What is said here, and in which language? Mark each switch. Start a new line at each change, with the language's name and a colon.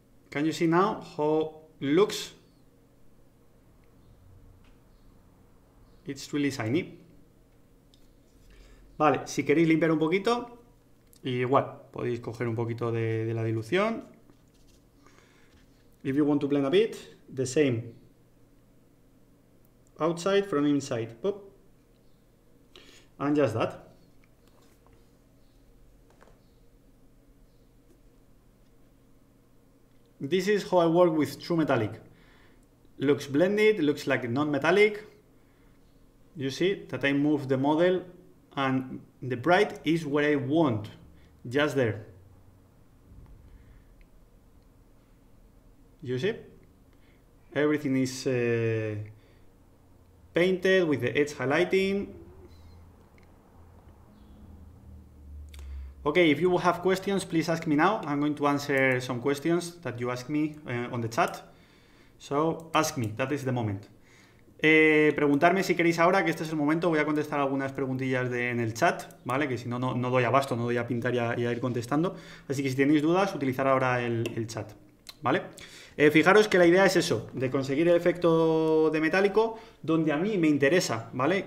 English: Can you see now how looks? It's really shiny.
Spanish: Vale, si queréis limpiar un poquito, igual podéis coger un poquito de la dilución.
English: If you want to blend a bit, the same. Outside from inside. Pop. And just that. This is how I work with True Metallic. Looks blended, looks like non-metallic. You see that I move the model and the bright is where I want, just there. You see? Everything is painted with the edge highlighting. Okay, if you have questions, please ask me now. I'm going to answer some questions that you ask me on the chat. So, ask me, that is the moment.
Spanish: Preguntarme si queréis ahora, que este es el momento. Voy a contestar algunas preguntillas en el chat, ¿vale? Que si no, no doy abasto, no doy a pintar y a ir contestando. Así que si tenéis dudas, utilizar ahora el chat, ¿vale? Fijaros que la idea es eso, de conseguir el efecto de metálico donde a mí me interesa, ¿vale?